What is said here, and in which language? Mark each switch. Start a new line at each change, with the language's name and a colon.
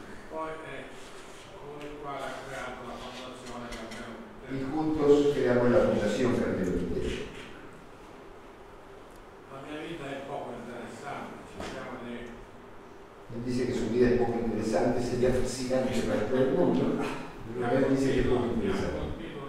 Italian: Poi, qua ha creato la fondazione Cartellone.
Spanish: E juntos creamos la fondación Cartellone.
Italian: La mia vita è poco interessante, ci siamo di.
Spanish: Él dice que su vida es poco interesante, sería fascinante para todo el mundo. Pero él dice que es poco interesante.